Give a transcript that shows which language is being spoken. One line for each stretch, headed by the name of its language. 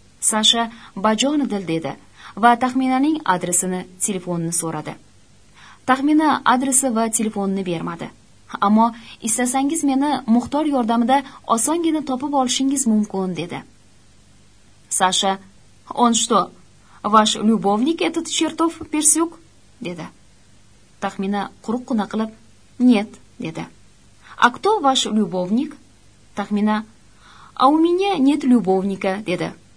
Uzbek: Sasha bajonidil dedi va taxminaning adresini, telefonini so'radi. Taxmina adresi va telefonini bermadi. "Ammo istasangiz meni muxtor yordamida osongina topib olishingiz mumkin", dedi.
Russian: Sasha, "On что? Ваш любовник этот чертов персюк?"
Uzbek: dedi. Taxmina quruqqina qilib, "Нет", dedi.
Russian: "А кто ваш любовник?" Taxmina, "А у меня нет любовника", dedi.